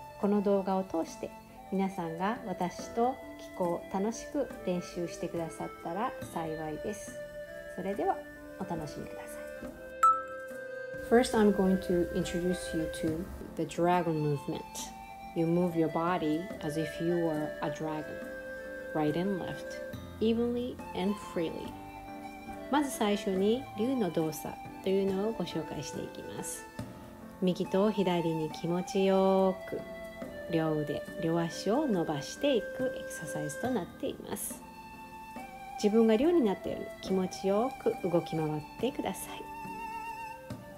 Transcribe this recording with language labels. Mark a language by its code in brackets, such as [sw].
[ja] この動画を通して皆さんが私と気功を楽しく練習してくださったら幸いです。それではお楽しみください。 [en] First, I'm going to introduce you to the dragon movement. You move your body as if you were a dragon, right and left, evenly and freely. [ja] まず最初に龍の動作というのをご紹介していきます。右と左に気持ちよく両腕、両足を伸ばしていくエクササイズとなっています。自分が龍になったように気持ちよく動き回ってください。